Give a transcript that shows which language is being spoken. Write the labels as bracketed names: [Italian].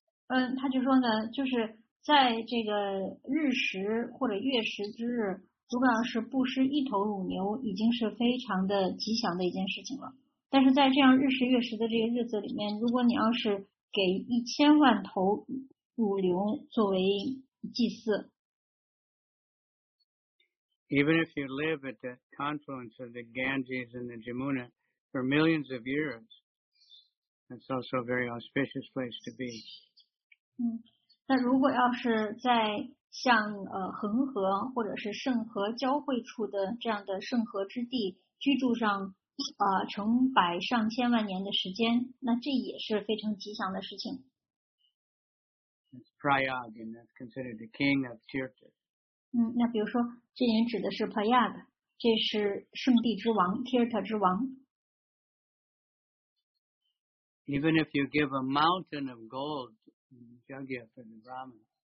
[Chinese] 嗯，他就说呢，就是在这个日食或者月食之日，如果要是布施一头乳牛，已经是非常的吉祥的一件事情了。但是在这样日食月食的这个日子里面，如果你要是给一千万头乳牛作为祭祀。 [English] Even if you live at the confluence of the Ganges and the Jamuna for millions of years, that's also a very auspicious place to be. [Chinese] 嗯，那如果要是在像恒河或者是圣河交汇处的这样的圣河之地居住上成百上千万年的时间，那这也是非常吉祥的事情。 [English] It's Prayag, and that's considered the king of Tirtha. [Chinese] 嗯，那比如说，这里指的是 Prayag， 这是圣地之王 ，Tirtha 之王。 [English] Even if you give a mountain of gold, Jagya for the Brahman.